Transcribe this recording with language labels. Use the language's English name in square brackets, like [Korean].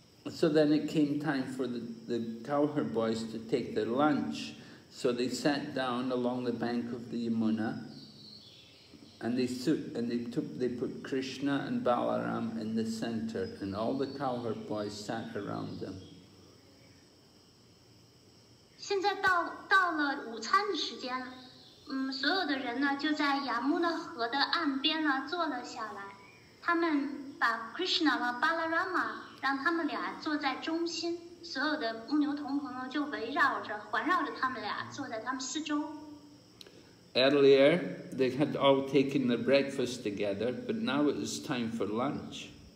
[English] So then it came time for the cowherd boys to take their lunch. So they sat down along the bank of the Yamuna, and they put Krishna and Balaram in the center, and all the cowherd boys sat around them. [Chinese] 现在到了午餐的时间，所有的人呢就在亚木那河的岸边呢坐了下来，他们把 Krishna 和Balarama 让他们俩坐在中心，所有的牧牛童朋友就围绕着、环绕着他们俩坐在他们四周。 [English] Earlier, they had all taken their breakfast together, but now it is time for lunch.